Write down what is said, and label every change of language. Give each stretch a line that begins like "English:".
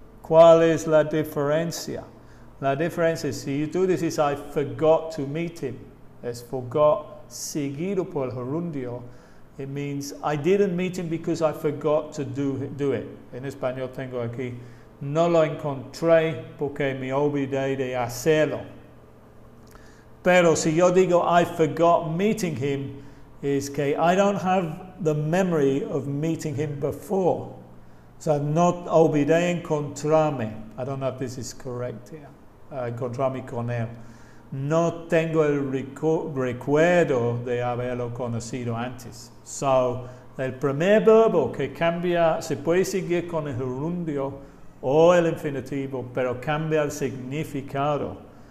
Spanish: ¿Cuál es la diferencia? La diferencia es si tú dices
English: I forgot to meet him,
Spanish: es forgot seguido por el gerundio.
English: It means, I didn't meet him because I forgot to do it.
Spanish: En español tengo aquí, no lo encontré porque me olvidé de hacerlo. Pero si yo digo,
English: I forgot meeting him,
Spanish: es que
English: I don't have the memory of meeting him before. So,
Spanish: no olvidé encontrarme.
English: I don't know if this is correct here.
Spanish: Encontrarme con él. No tengo el recuerdo de haberlo conocido antes. So, el primer verbo que cambia, se puede seguir con el gerundio o el infinitivo, pero cambia el significado.